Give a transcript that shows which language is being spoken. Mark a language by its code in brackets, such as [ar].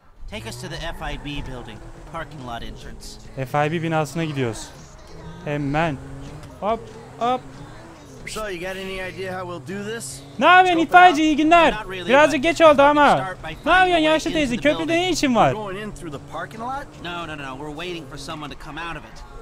[en] Take us to the FIB building, parking lot entrance. [tr] FIB binasına gidiyoruz. Hemen. Hop, hop. [en] So, you got any idea how we'll do this? [tr] Ne yapıyorsun itfaiyeci, iyi günler. Birazcık geç oldu ama. Ne yapıyorsun yaşlı teyze, köprüde ne işin var? [en] No, we're waiting for someone to come out of it.